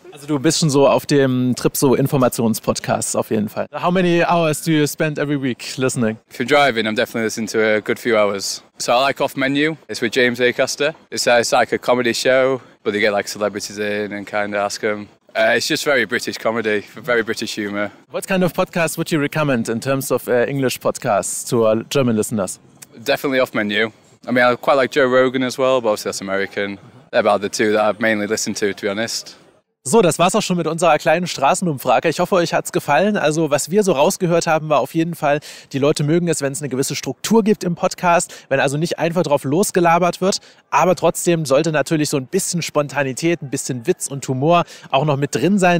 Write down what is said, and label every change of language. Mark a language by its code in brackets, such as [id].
[de] Also du bist schon so auf dem Trip, so Informationspodcasts auf jeden Fall. [en] How many hours do you spend every week listening? If you're driving, I'm definitely listening to a good few hours. So I like Off Menu. It's with James Acaster. It's like a comedy show, but they get like celebrities in and kind of ask them It's just very British comedy, very British humor. What kind of podcast would you recommend in terms of English podcasts to our German listeners? Definitely Off Menu. I mean, I quite like Joe Rogan as well, but obviously that's American. They're about the two that I've mainly listened to be honest. [de] So, das war's auch schon mit unserer kleinen Straßenumfrage. Ich hoffe, euch hat's gefallen. Also, was wir so rausgehört haben, war auf jeden Fall, die Leute mögen es, wenn es eine gewisse Struktur gibt im Podcast, wenn also nicht einfach drauf losgelabert wird. Aber trotzdem sollte natürlich so ein bisschen Spontanität, ein bisschen Witz und Humor auch noch mit drin sein.